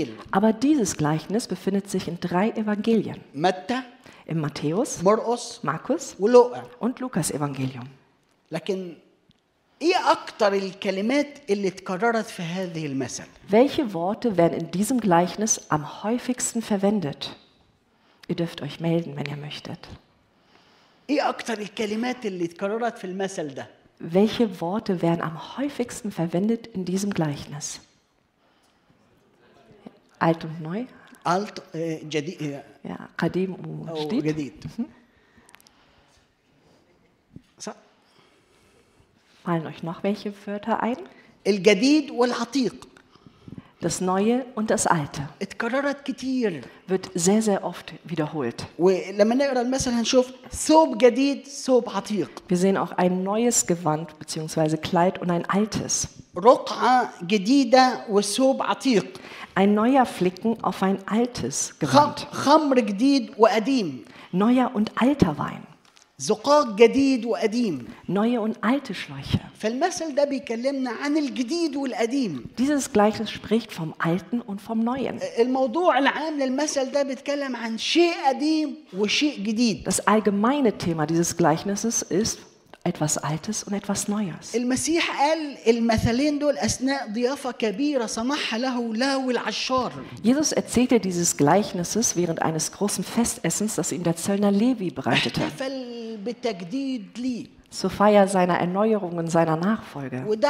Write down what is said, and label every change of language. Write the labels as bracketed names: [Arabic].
[German] Aber dieses Gleichnis befindet sich in drei Evangelien. Im Matthäus, Markus und Lukas Evangelium. [Arabic] إيه أكتر الكلمات اللي تكررت في هذه المثل؟ [German] Welche Worte werden in diesem Gleichnis am häufigsten verwendet? Ihr dürft euch melden, wenn ihr möchtet. [Arabic] إيه أكتر الكلمات اللي تكررت في المثل ده؟ [German] Welche Worte werden am häufigsten verwendet in diesem Gleichnis? Alt und neu? alt, jadid. Ja, kadim und jadid. So. Fallen euch noch welche Wörter ein? [Arabic] Al-jadid wal-atiq. [German] Das Neue und das Alte. [Arabic] اتكررت كتير. [German] Wird sehr, sehr oft wiederholt. [Arabic] ولما نقرأ المثل هنشوف ثوب جديد ثوب عتيق. [German] Wir sehen auch ein neues Gewand bzw. Kleid und ein altes. [Arabic] رقعة جديدة وثوب عتيق. [German] Ein neuer Flicken auf ein altes Gewand. [Arabic] خمر جديد وقديم. [German] Neuer und alter Wein. [Arabic] زقاق جديد وقديم. [German] Neue und alte Schläuche. [Arabic] فالمثل ده بيكلمنا عن الجديد والقديم. [German] Dieses Gleichnis spricht vom Alten und vom Neuen. [Arabic] الموضوع العام للمثل ده بيتكلم عن شيء قديم وشيء جديد. [German] Das allgemeine Thema dieses Gleichnisses ist etwas Altes und etwas Neues. [Arabic] المسيح قال المثلين دول أثناء ضيافة كبيرة سمح له لاو العشار. [German] Jesus erzählte dieses Gleichnisses während eines großen Festessens, das ihm der Zöllner Levi bereitete. [Arabic] احتفل بالتجديد لي. [German] Zur Feier seiner Erneuerung und seiner Nachfolge.